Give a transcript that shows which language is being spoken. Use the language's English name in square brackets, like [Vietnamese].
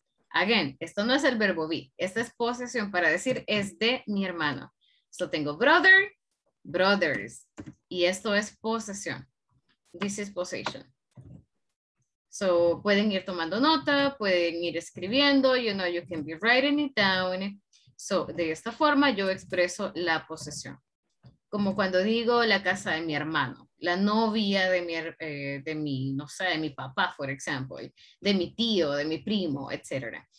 [Spanish] Again, esto no es el verbo be. Esta es posesión para decir es de mi hermano. So tengo brother, brothers. Y esto es posesión. [English] This is possession. [Spanish] So, pueden ir tomando nota, pueden ir escribiendo. [English] You know, you can be writing it down. [Spanish] So, de esta forma, yo expreso la posesión. Como cuando digo la casa de mi hermano, la novia de mi papá, for example, de mi tío, de mi primo, etc.